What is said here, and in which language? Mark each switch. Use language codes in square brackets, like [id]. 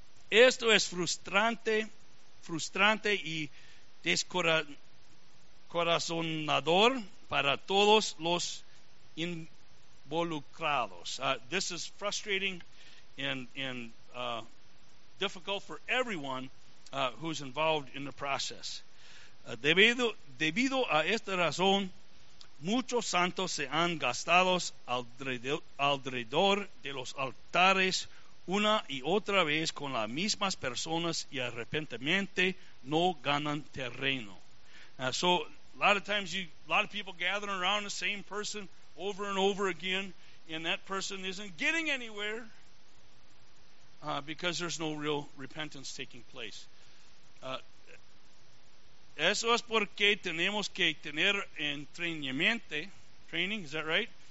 [es] Esto es frustrante y descorazonador para todos los involucrados. [en] This is frustrating and difficult for everyone who's involved in the process. [es] Debido a esta razón, muchos santos se han gastado alrededor de los altares una y otra vez con las mismas personas y arrepentemente no ganan terreno. [en] So a lot of times a lot of people gathering around the same person over and over again, and that person isn't getting anywhere because there's no real repentance taking place. [es] Eso es porque tenemos que tener entrenamiento. [en] Training, is that right?